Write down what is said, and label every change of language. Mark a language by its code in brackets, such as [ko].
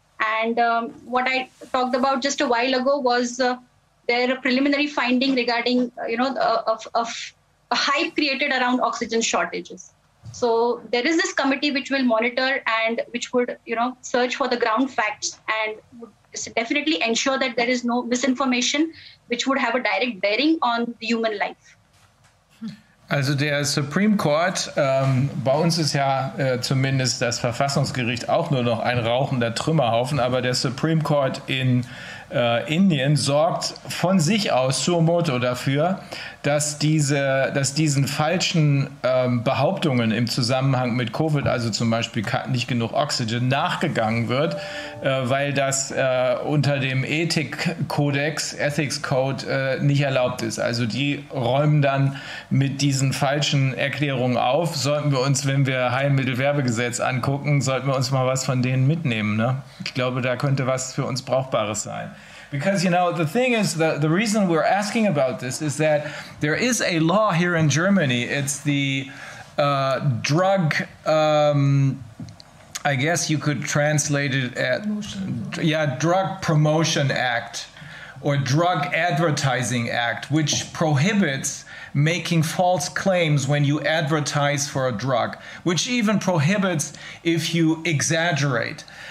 [en] And what I talked about just a while ago was their preliminary finding regarding, you know, a hype created around oxygen shortages. So there is this committee which will monitor and which would, you know, search for the ground facts and would definitely ensure that there is no misinformation which would have a direct bearing on the human life. [de] Also der Supreme Court, bei uns ist ja zumindest das Verfassungsgericht auch nur noch ein rauchender Trümmerhaufen, aber der Supreme Court in Indien sorgt von sich aus suo moto dafür, dass diesen falschen Behauptungen im Zusammenhang mit Covid, also zum Beispiel nicht genug Oxygen, nachgegangen wird, weil das unter dem Ethics Code nicht erlaubt ist. Also die räumen dann mit diesen falschen Erklärungen auf. Sollten wir uns, wenn wir Heilmittelwerbegesetz angucken, sollten wir uns mal was von denen mitnehmen, ne? Ich glaube, da könnte was für uns Brauchbares sein. [en] Because, you know, the thing is, the reason we're asking about this is that there is a law here in Germany. It's the drug, I guess you could translate it at, Drug Promotion Act or Drug Advertising Act, which prohibits making false claims when you advertise for a drug, which even prohibits if you exaggerate.